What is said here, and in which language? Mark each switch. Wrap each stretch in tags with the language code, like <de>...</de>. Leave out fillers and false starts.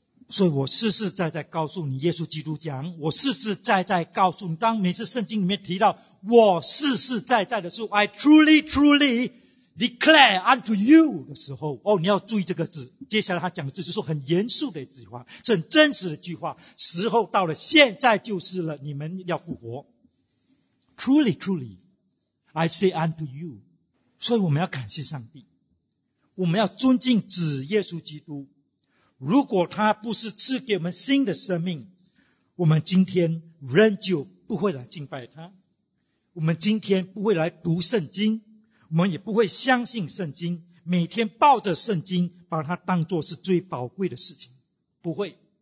<zh>所以我实实在在告诉你，耶稣基督讲，我实实在在告诉你，当每次圣经里面提到我实实在在的时候， I truly trulydeclare unto you 的时候，哦，你要注意这个字。接下来他讲的字就是很严肃的一句话，是很真实的一句话。时候到了，现在就是了，你们要复活。</zh> <en>Truly, truly, I say unto you.</en> <zh>所以我们要感谢上帝，我们要尊敬主耶稣基督。如果他不是赐给我们新的生命，我们今天仍旧不会来敬拜他，我们今天不会来读圣经，我们也不会相信圣经，每天抱着圣经把它当作是最宝贵的事情，不会。</zh>